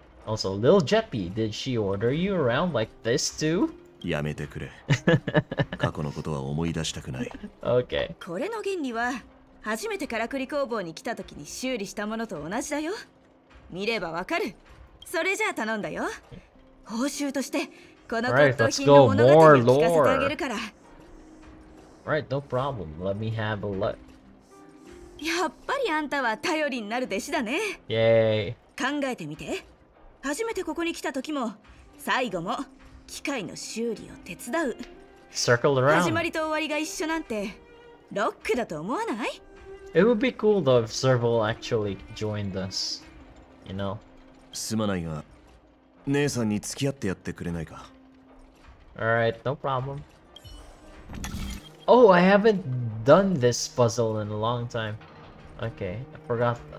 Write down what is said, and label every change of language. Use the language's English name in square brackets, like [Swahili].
[English] Also, Lil Jeppy, did she order you around like this too? [Japanese] やめてくれ。過去のことは思い出したくない。 [English] OK。 [Japanese] これの原理は、初めてからくり工房に来た時に修理したものと同じだよ。見ればわかる。それじゃあ頼んだよ。報酬として、この骨董品の物語を聞かせてあげるから。 [English] Right, no problem. Let me have a look. [Japanese] やっぱりあんたは頼りになる弟子だね。イエーイ。考えてみて、初めてここに来た時も最後も機械の修理を手伝う。 [English] Circle around. [Japanese] 始まりと終わりが一緒なんてロックだと思わない？ [English] It would be cool though if Serval actually joined us, you know. [Japanese] すまないが、姉さんに付き合ってやってくれないか。 [English] Alright, no problem. Oh, I haven't done this puzzle in a long time. Okay, I forgot.